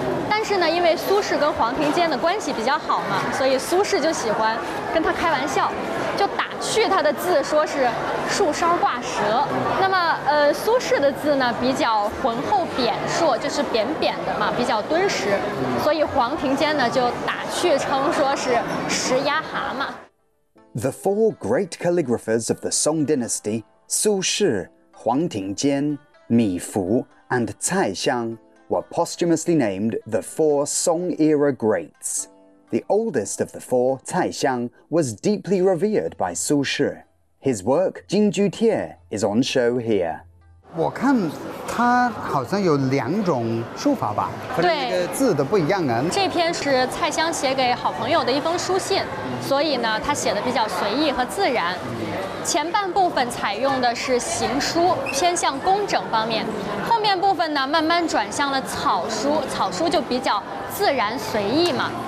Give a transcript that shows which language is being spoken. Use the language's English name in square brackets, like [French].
[Chinese] 但是呢，因为苏轼跟黄庭坚的关系比较好嘛，所以苏轼就喜欢跟他开玩笑，就打趣他的字，说是树梢挂蛇。那么，苏轼的字呢比较浑厚扁硕，就是扁扁的嘛，比较敦实，所以黄庭坚呢就打趣称说是蛇压蛤蟆。 [English] The four great calligraphers of the Song Dynasty, 苏轼、黄庭坚、米芾and 蔡襄 were posthumously named the four Song-era greats. The oldest of the four, 蔡襄, was deeply revered by 苏轼. His work, 金雎帖, is on show here. [Chinese] 我看它好像有两种书法吧，和那个字的不一样啊。这篇是蔡襄写给好朋友的一封书信，所以呢，他写的比较随意和自然。前半部分采用的是行书，偏向工整方面；后面部分呢，慢慢转向了草书，草书就比较自然随意嘛。